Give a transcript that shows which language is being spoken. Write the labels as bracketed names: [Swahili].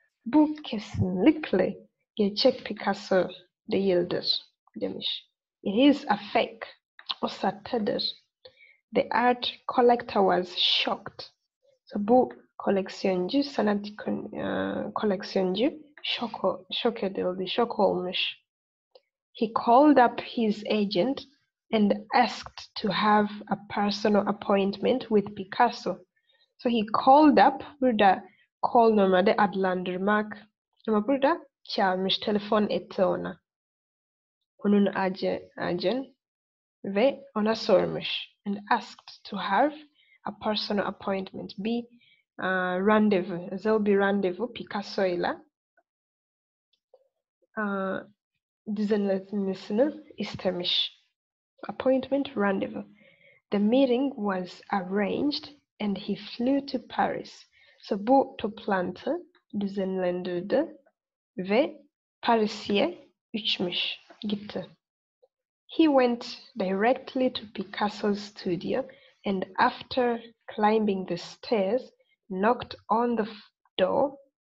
[Turkish] Bu kesinlikle gerçek Picasso değildir, demiş. [English] It is a fake. [Turkish] O sahtedir. [English] The art collector was shocked. [Turkish] So bu koleksiyoncu, sanat koleksiyoncu şok edildi, şok olmuş. [English] He called up his agent and asked to have a personal appointment with Picasso. So he called up, [Turkish] burada call normalde adlandırmak. Ama burada çağırmış, telefon etti ona. Onun agent ve ona sormuş. [English] And asked to have a personal appointment. [Turkish] Bir randevu, özel bir randevu Picasso ile düzenlenmesini istemiş. [English] Appointment rendezvous. The meeting was arranged and he flew to Paris. [Turkish] So bu toplantı düzenlendirdi ve Paris'e uçmuş, gitti. [English] He went directly to Picasso's studio and after climbing the stairs, knocked on the door.